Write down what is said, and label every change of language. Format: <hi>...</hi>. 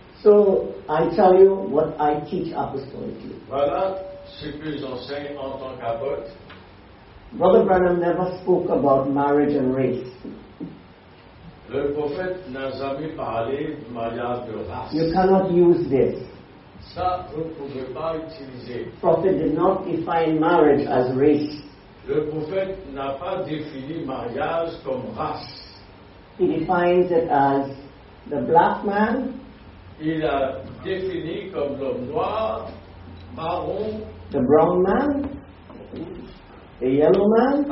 <en>So I tell you what I teach apostolically.</en> <fr>Voilà. Ce que j'enseigne en tant qu'apôtre.</fr> <en>Brother Branham never spoke about marriage and race.</en> <fr>Le prophète n'a jamais parlé de mariage de race.</fr> <en>You cannot use this.</en> <fr>Ça, vous ne pouvez pas utiliser.</fr> <en>The prophet did not define marriage as race.</en> <fr>Le prophète n'a pas défini mariage comme race.</fr> <en>He defines it as the black man.</en> <fr>Il a défini comme l'homme noir. Marron,</fr> <en>the brown man, the yellow man,</en>